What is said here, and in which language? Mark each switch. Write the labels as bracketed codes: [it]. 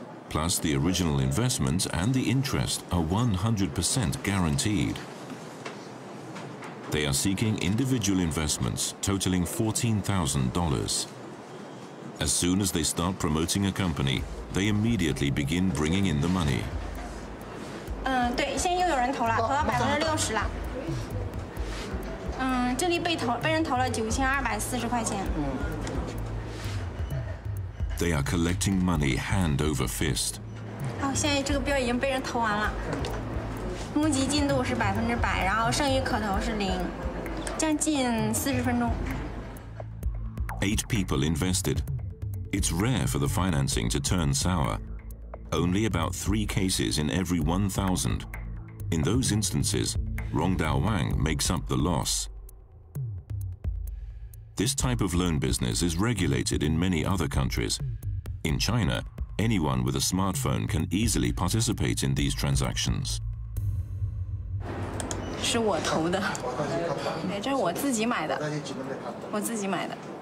[en] Plus, the original investment and the interest are 100% guaranteed. They are seeking individual investments totaling $14,000. As soon as they start promoting a company, they immediately begin bringing in the money. [zh] 对，现在又有人投了，投到60%了。这里被人投了9240块钱。 [en] They are collecting money hand over fist. [zh] 好，现在这个标已经被人投完了。募集进度是100%，然后剩余可投是零，将近40分钟。 [en] 8 people invested. It's rare for the financing to turn sour. Only about 3 cases in every 1,000. In those instances, Rongdao Wang makes up the loss. This type of loan business is regulated in many other countries. In China, anyone with a smartphone can easily participate in these transactions. [zh] 是我投的，这是我自己买的，我自己买的。